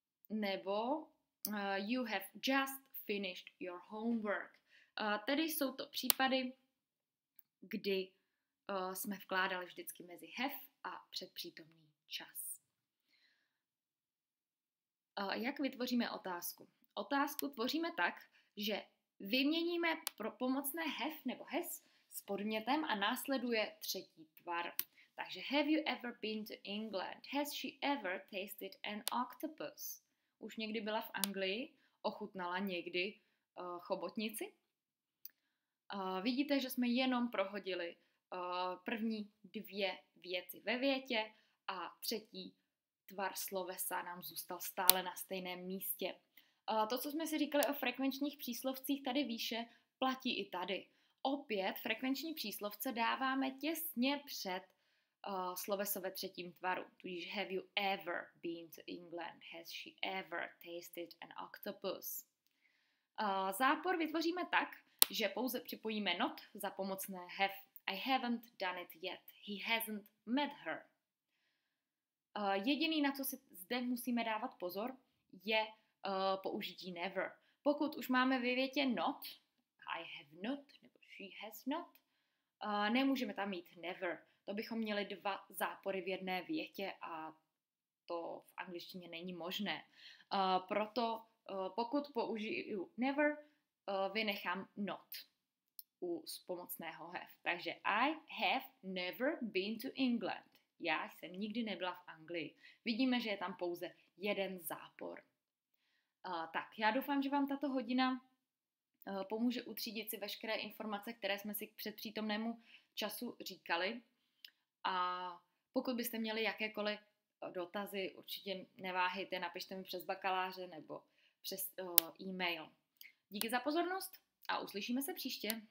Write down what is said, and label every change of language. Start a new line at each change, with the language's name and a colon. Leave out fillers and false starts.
English: Nebo you have just finished your homework.
Czech: Tedy jsou to případy, kdy jsme vkládali vždycky mezi have a předpřítomný čas. Jak vytvoříme otázku? Otázku tvoříme tak, že vyměníme pro pomocné have nebo has s podmětem a následuje třetí tvar. Takže
English: have you ever been to England? Has she ever tasted an octopus?
Czech: Už někdy byla v Anglii? Ochutnala někdy chobotnici? Vidíte, že jsme jenom prohodili první dvě věci ve větě a třetí tvar slovesa nám zůstal stále na stejném místě. To, co jsme si říkali o frekvenčních příslovcích tady výše, platí i tady. Opět frekvenční příslovce dáváme těsně před sloveso ve třetím tvaru.
English: Tudíž have you ever been to England? Has she ever tasted an octopus?
Czech: Zápor vytvoříme tak, že pouze připojíme not za pomocné have.
English: I haven't done it yet. He hasn't met her.
Czech: Jediný, na co si zde musíme dávat pozor, je použití never. Pokud už máme ve větě not,
English: I have not,
Czech: nebo
English: she has not,
Czech: nemůžeme tam mít never. To bychom měli dva zápory v jedné větě a to v angličtině není možné. Proto pokud použiju never, vynechám not u pomocného have.
English: Takže I have never been to England.
Czech: Já jsem nikdy nebyla v Anglii. Vidíme, že je tam pouze jeden zápor. Tak, já doufám, že vám tato hodina pomůže utřídit si veškeré informace, které jsme si k předpřítomnému času říkali. A pokud byste měli jakékoliv dotazy, určitě neváhejte, napište mi přes bakaláře nebo přes e-mail. Díky za pozornost a uslyšíme se příště.